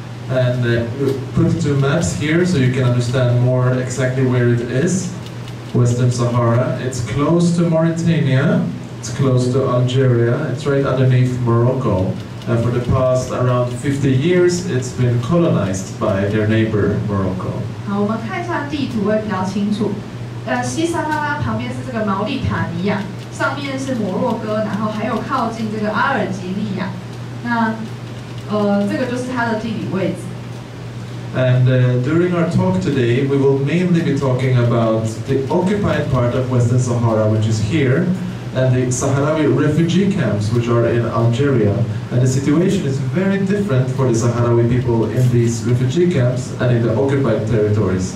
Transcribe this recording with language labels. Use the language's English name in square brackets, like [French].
[English] And we put two maps here so you can understand more exactly where it is. Western Sahara. It's close to Mauritania. It's close to Algeria. It's right underneath Morocco. And for the past around 50 years, it's been colonized by their neighbor Morocco. [Chinese] 好，我们看一下地图会比较清楚。西撒哈拉旁边是这个毛利塔尼亚。上面是摩洛哥，然后还有靠近这个阿尔及利亚，那这个就是它的地理位置。 [English] And during our talk today, we will mainly be talking about the occupied part of Western Sahara, which is here, and the Sahrawi refugee camps, which are in Algeria. And the situation is very different for the Sahrawi people in these refugee camps and in the occupied territories.